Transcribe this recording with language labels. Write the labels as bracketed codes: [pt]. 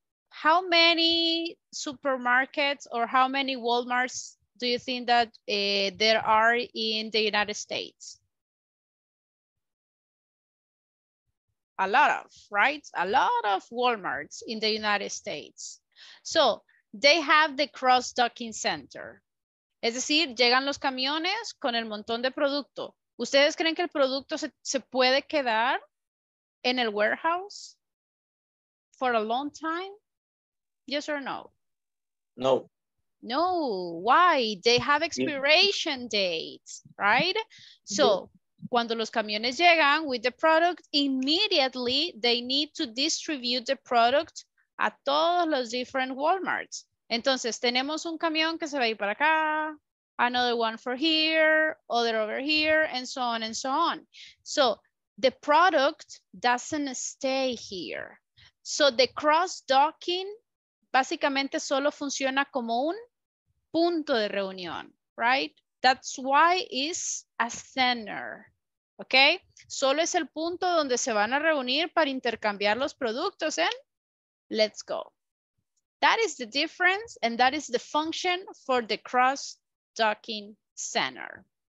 [en] How many supermarkets or how many Walmarts do you think that there are in the United States? A lot of, right? A lot of Walmarts in the United States. So they have the cross-docking center. [es] Es decir, llegan los camiones con el montón de producto. ¿Ustedes creen que el producto se puede quedar en el warehouse [en] for a long time? Yes or no? No. No, why? They have expiration dates, right? So, [es] cuando los camiones llegan [en] with the product, immediately they need to distribute the product [es] a todos los [en] different Walmarts. [es] Entonces, tenemos un camión que se va a ir para acá, [en] another one for here, other over here, and so on and so on. So, the product doesn't stay here. [es] So, the cross-docking básicamente solo funciona como un punto de reunión, right? [en] That's why it's a center, okay? [es] Solo es el punto donde se van a reunir para intercambiar los productos en [en] let's go. That is the difference and that is the function for the cross-docking center.